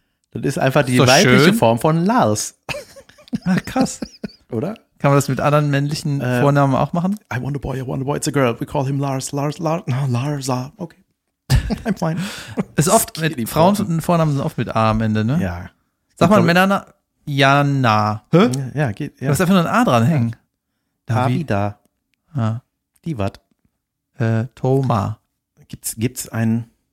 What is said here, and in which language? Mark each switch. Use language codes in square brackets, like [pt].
[de] Das ist einfach die weibliche Form von Lars. Ach, krass. Oder? Kann man das mit anderen männlichen Vornamen auch machen? [en] I want a boy, I want a boy. It's a girl. We call him Lars. Larsa. Okay. I'm fine. [de] Ist oft mit Frauen und Vornamen sind oft mit A am Ende, ne? Ja. Sag mal, Männer. Jana. Hä? Ja, geht. Ja. Du hast einfach nur ein A dranhängen. Ja. Davida. Ah. Die wat? Thomas. Gibt's einen?